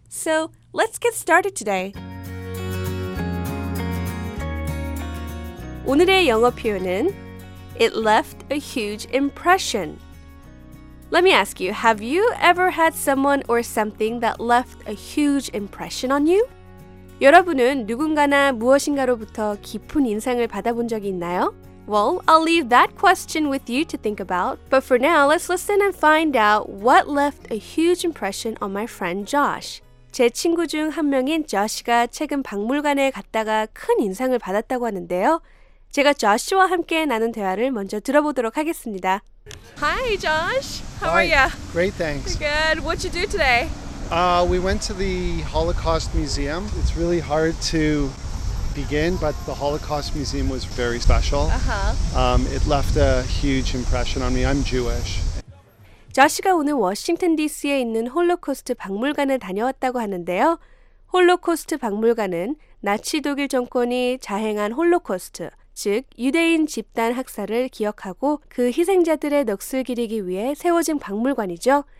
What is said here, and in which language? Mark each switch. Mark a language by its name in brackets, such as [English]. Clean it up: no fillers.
[English] So, let's get started today. [Korean] 오늘의 영어 표현은 [English] It left a huge impression. Let me ask you, have you ever had someone or something that left a huge impression on you? [Korean] 여러분은 누군가나 무엇인가로부터 깊은 인상을 받아본 적이 있나요? [English] Well, I'll leave that question with you to think about. But for now, let's listen and find out what left a huge impression on my friend Josh. [Korean] 제 친구 중 한 명인 Josh가 최근 박물관에 갔다가 큰 인상을 받았다고 하는데요. 제가 조슈와 함께 나눈 대화를 먼저 들어보도록 하겠습니다. [English] Hi, Josh. How are you? Great, thanks. Good. What'd you do today? We went to the Holocaust Museum. It's really hard to begin, but the Holocaust Museum was very special. Uh-huh. It left a huge impression on me. I'm Jewish. [Korean] Josh가 오늘 워싱턴 DC에 있는 홀로코스트 박물관을 다녀왔다고 하는데요. 홀로코스트 박물관은 나치 독일 정권이 자행한 홀로코스트, 즉 유대인 집단 학살을 기억하고 그 희생자들의 넋을 기리기 위해 세워진 박물관이죠.